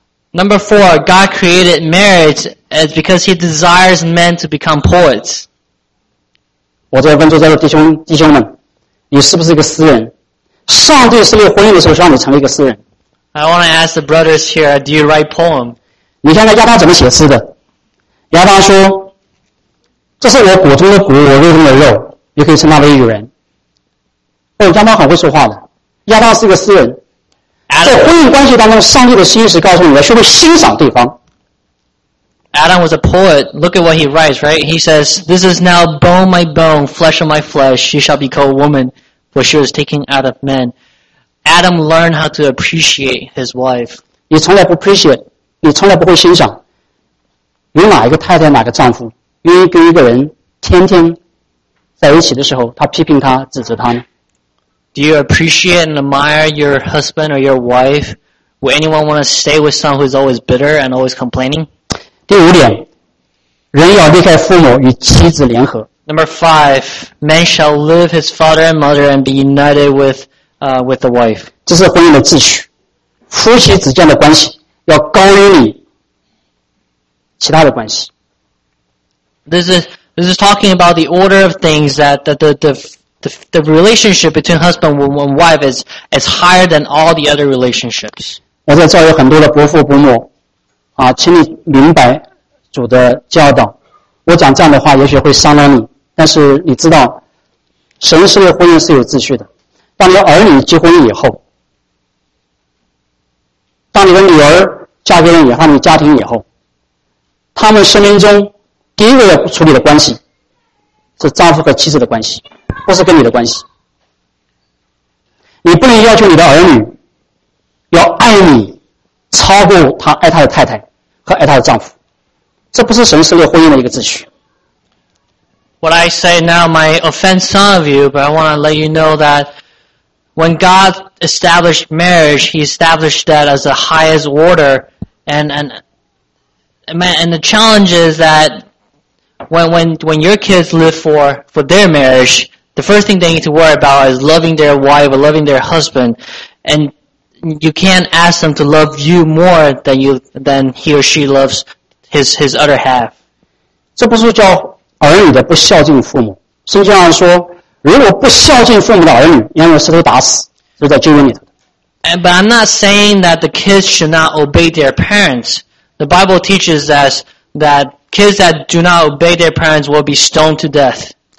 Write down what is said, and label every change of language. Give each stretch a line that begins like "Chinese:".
English: Number four, God created marriage as because He desires men to become poets.
Chinese: 我在问在座弟兄们，你是不是一个私人？上帝设立婚姻的时候，希望你成为一个私人。
English: I want to ask the brothers here, do you write poems?
Chinese: 你看看亚当怎么写诗的？亚当说：“这是我骨中的骨，我肉中的肉，你可以称他为女人。” 亚当很会说话的，亚当是一个诗人。在婚姻关系当中，上帝的心是告诉你要学会欣赏对方。
English: Adam was a poet. Look at what he writes, right? He says, "This is now bone my bone, flesh of my flesh. She shall be called woman, for she was taken out of man." Adam learned how to appreciate his wife.
Chinese: 你从来不 appreciate， 你从来不会欣赏。有哪一个太太、哪个丈夫愿意跟一个人天天在一起的时候，他批评他、指责他呢？
English: Do you appreciate and admire your husband or your wife? Would anyone want to stay with someone who is always bitter and always complaining?
Chinese: 第五点，人要离开父母与妻子联合。
English: Number five, man shall leave his father and mother and be united with the wife.
Chinese: 这是婚姻的秩序，夫妻之间的关系要高于你其他的关系。
English: This is talking about the order of things that the relationship between husband and wife is higher than all the other relationships.
Chinese: 我在这儿有很多的伯父伯母，啊，请你明白主的教导。我讲这样的话，也许会伤到你，但是你知道，神设立婚姻是有秩序的。当你的儿女结婚以后，当你的女儿嫁给人以后，你家庭以后，他们生命中第一个要处理的关系是丈夫和妻子的关系。不是跟你的关系，你不能要求你的儿女要爱你超过他爱他的太太和爱他的丈夫，这不是神设立婚姻的一个秩序。
English: What I say now might offend some of you, but I want to let you know that when God established marriage, He established that as the highest order, and And the challenge is that when your kids live for their marriage, the first thing they need to worry about is loving their wife or loving their husband. And you can't ask them to love you more than you than he or she loves his other half.
Chinese: 这不是叫儿女的不孝敬父母。圣经上说, 如果不孝敬父母的儿女,要用石头打死,就在经文里头。
English: And, but I'm not saying that the kids should not obey their parents. The Bible teaches us that kids that do not obey their parents will be stoned to death.